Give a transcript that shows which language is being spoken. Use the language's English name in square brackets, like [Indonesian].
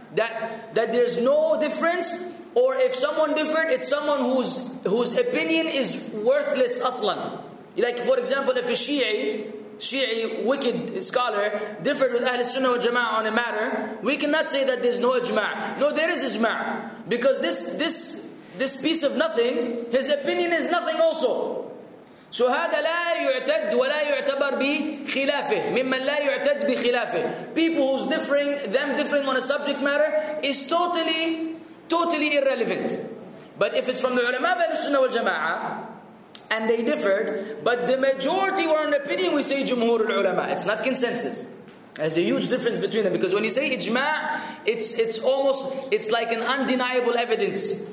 [English] That there's no difference, or if someone different, it's someone whose opinion is worthless aslan. Like, for example, if a Shi'i, wicked scholar, differed with Ahl Sunnah wa Jama'ah on a matter, we cannot say that there's no ijma'. No, there is ijma', because this piece of nothing, his opinion is nothing also. [Arabic] So هذا لا يعتد ولا يعتبر بخلافه ممن لا يعتد بخلافه. [English] People who's differing, them differing on a subject matter, is totally irrelevant. But if it's from the ulama of Ahl Sunnah wa Jama'ah, and they differed, but the majority were in opinion, we say Jumhur al-Ulama. It's not consensus. There's a huge difference between them. Because when you say Ijma', it's almost like an undeniable evidence.